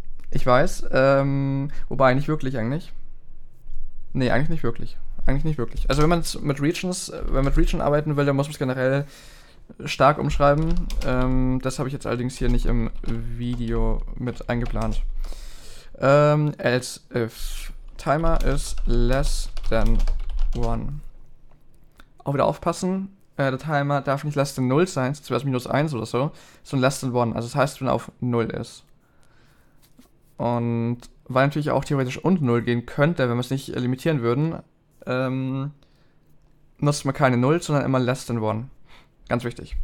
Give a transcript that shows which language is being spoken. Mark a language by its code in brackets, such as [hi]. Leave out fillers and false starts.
[de] Ich weiß, wobei nicht wirklich eigentlich. Nee, eigentlich nicht wirklich. Eigentlich nicht wirklich. Also wenn man es mit Regions, wenn man mit Region arbeiten will, dann muss man es generell stark umschreiben. Das habe ich jetzt allerdings hier nicht im Video mit eingeplant. [en] Else if timer is less than 1. [de] Auch wieder aufpassen, der Timer darf nicht [en] less than 0 [de] sein, sonst wäre es minus 1 oder so, sondern [en] less than 1. [de] Also das heißt, wenn er auf 0 ist. Und weil natürlich auch theoretisch unter 0 gehen könnte, wenn wir es nicht limitieren würden, nutzt man keine 0, sondern immer [en] less than 1. [de] Ganz wichtig.